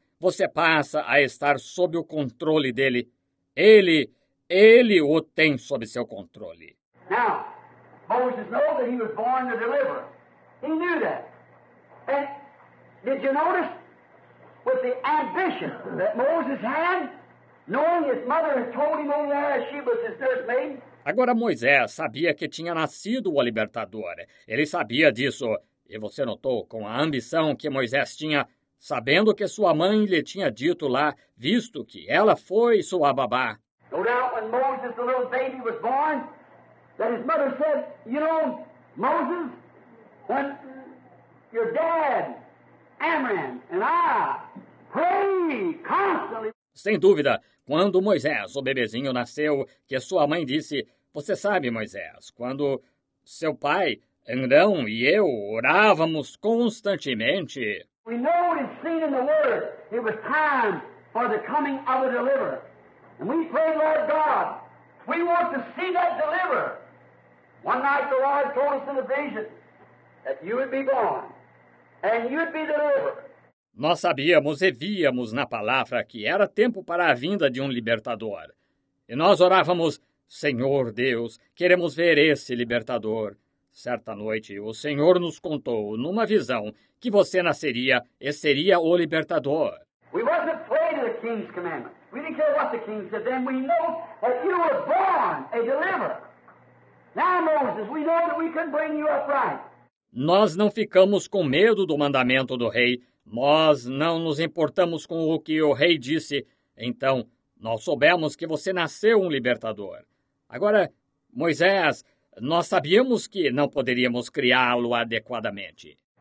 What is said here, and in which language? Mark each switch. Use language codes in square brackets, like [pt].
[pt] Você passa a estar sob o controle dele. Ele o tem sob seu controle. [en] Now, Moses knew that he was born to deliver. He knew that. And did you notice with the ambition that Moses had? Knowing his mother had told him only that she was his nurse maid. [pt] Agora Moisés sabia que tinha nascido o libertador. Ele sabia disso. E você notou com a ambição que Moisés tinha, sabendo que sua mãe lhe tinha dito lá, visto que ela foi sua babá. [en] No doubt when Moses, the little baby, was born, that his mother said, you know, Moses, when your dad, Amram, and I pray constantly. [pt] Sem dúvida, quando Moisés, o bebezinho, nasceu, que sua mãe disse, você sabe, Moisés, quando seu pai, Arão e eu orávamos constantemente. [en] We know it is seen in the word, it was time for the coming of a deliverer. And we pray, Lord God, we want to see that deliverer. One night the Lord told us in a vision that you would be born and you would be delivered. [pt] Nós sabíamos e víamos na palavra que era tempo para a vinda de um libertador. E nós orávamos, Senhor Deus, queremos ver esse libertador. Certa noite, o Senhor nos contou, numa visão, que você nasceria e seria o libertador. [en] We wasn't afraid of the king's commandment. We didn't care what the king said. Then we know that you were born a deliverer. Now, Moses, we know that we can bring you upright. [pt] Nós não ficamos com medo do mandamento do rei. Nós não nos importamos com o que o rei disse. Então, nós soubemos que você nasceu um libertador. Agora, Moisés, nós sabíamos que não poderíamos criá-lo adequadamente.